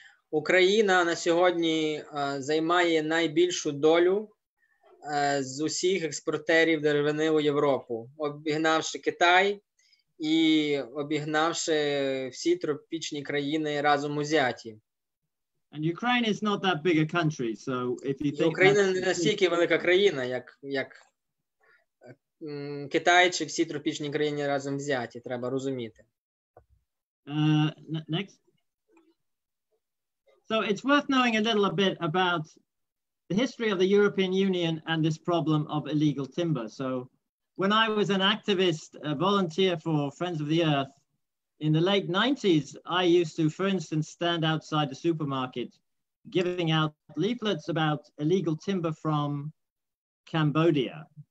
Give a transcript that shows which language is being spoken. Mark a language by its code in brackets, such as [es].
[uk] Україна на сьогодні займає найбільшу долю з усіх експортерів деревини у Європу, обігнавши Китай і обігнавши всі тропічні країни разом узяті. [en] And Ukraine is not that big a country, so if you think [uk] Україна не настільки велика країна, як Китай чи всі тропічні країни разом взяті, треба розуміти. [en] Next. So it's worth knowing a little bit about the history of the European Union and this problem of illegal timber. So when I was an activist, a volunteer for Friends of the Earth, in the late 90s, I used to, for instance, stand outside the supermarket giving out leaflets about illegal timber from Cambodia.